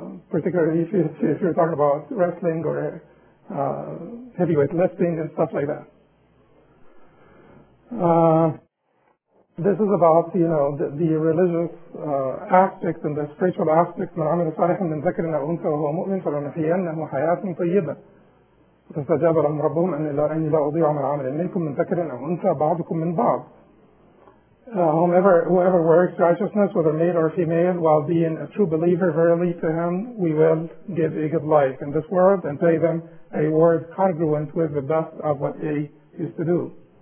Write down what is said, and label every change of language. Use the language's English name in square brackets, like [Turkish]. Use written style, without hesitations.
[English] particularly if you're talking about wrestling or heavyweight lifting and stuff like that. This is about, you know, the religious aspects and the spiritual aspects. [Arabic] من عمل صالح من ذكر أو أنثى وهو مؤمن فلنحيينه حياة طيبة. فاستجاب لهم ربهم أني لا أضيع من عمل منكم من ذكر أو أنثى بعضكم من بعض. [English] Whoever works righteousness, whether male or female, while being a true believer, verily to him we will give a good life in this world and pay them a reward congruent with the best of what they used to do.